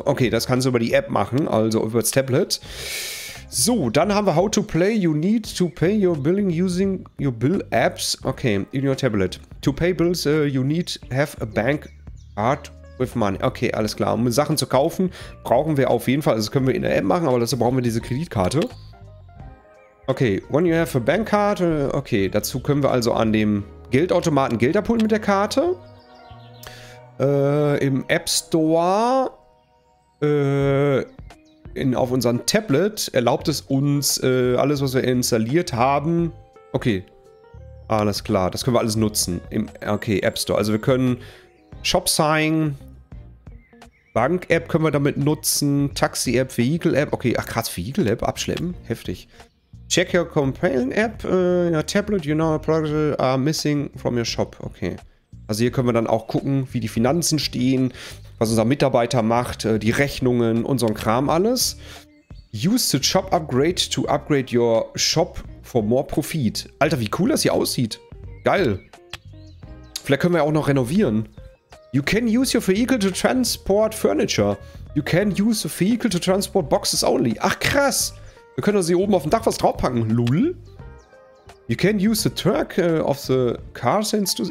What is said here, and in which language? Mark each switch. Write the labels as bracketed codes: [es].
[de] Okay, das kannst du über die App machen, also über das Tablet. So, dann haben wir [en] how to play. You need to pay your billing using your bill apps. Okay, in your tablet. To pay bills, you need have a bank card with money. [de] Okay, alles klar. Um Sachen zu kaufen, brauchen wir auf jeden Fall. Also das können wir in der App machen, aber dazu brauchen wir diese Kreditkarte. Okay, [en] when you have a bank card, [de] okay, dazu können wir also an dem Geldautomaten Geld abholen mit der Karte. Im App Store, auf unserem Tablet erlaubt es uns, alles was wir installiert haben. Okay, alles klar, das können wir alles nutzen im okay, App Store. Also wir können Shop Sign, Bank App können wir damit nutzen, Taxi App, Vehicle App. Okay, ach krass, Vehicle App abschleppen, heftig. [en] Check your companion app, your tablet, you know, products are missing from your shop. Okay. [de] Also hier können wir dann auch gucken, wie die Finanzen stehen, was unser Mitarbeiter macht, die Rechnungen, unseren Kram, alles. [en] Use the shop upgrade to upgrade your shop for more profit. [de] Alter, wie cool das hier aussieht. Geil. Vielleicht können wir auch noch renovieren. [en] You can use your vehicle to transport furniture. You can use the vehicle to transport boxes only. [de] Ach krass. Wir können also hier oben auf dem Dach was draufpacken, lul. [en] You can use the truck of the car since to...